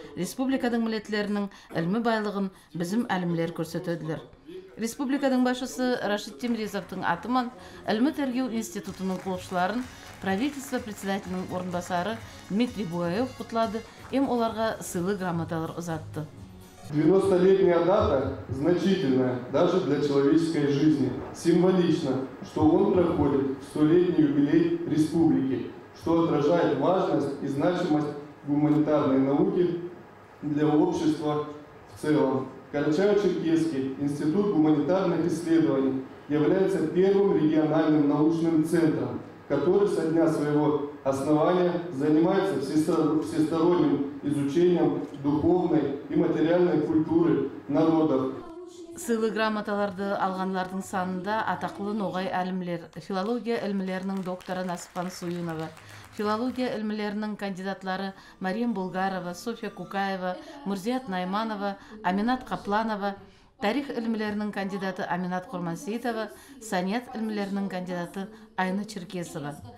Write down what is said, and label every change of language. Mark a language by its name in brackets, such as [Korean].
[Nogai] Республикадың мүлетлерінің әлімі байлығын бізім әлімлер көрсетеділер. Республикадың башысы Рашид Темризовтың атыман әлімі тергеу институтының құлшыларын правительство председателінің орынбасары Дмитрий Буаев құтлады, ем оларға сыйлы грамоталар ұзатты. [Russian] 90-летняя дата значительная даже для человеческой жизни. Символично, что он проходит в 100-летний юбилей республики, что отражает важность и значимость гуманитарной науки для общества в целом. Карачаево-Черкесский институт гуманитарных исследований является первым региональным научным центром, который со дня своего основания занимается всесторонним изучением духовной и материальной культуры народов. [Nogai] Сыйлы грамоталарды алғанлардың санында атақлы ноғай әлімлер, филология әлімлерінің докторы Насыпхан Суюнова, филология әлімлерінің кандидатлары Мариям Булгарова, Софья Кукаева, Мурзият Найманова, Аминат Капланова, тарих әлімлерінің кандидаты Аминат Курмансейтова, саният әлімлерінің кандидаты Айна Черкесова.